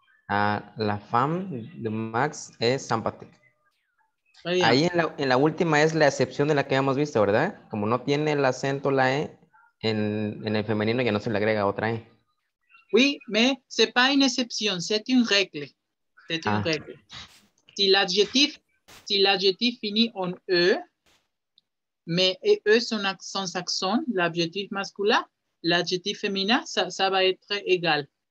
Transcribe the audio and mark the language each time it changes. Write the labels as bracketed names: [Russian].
[French] La femme de Max est sympathique. [Spanish] Ahí en la última es la excepción de la que hemos visto, ¿verdad? Como no tiene el acento la E, en el femenino ya no se le agrega otra E. [French] Oui, mais c'est pas une excepción, c'est une règle. C'est une règle. Si l'adjectif finit en E, mais E son accent saxon, l'adjectif masculin, l'adjectif féminin, ça va être égal.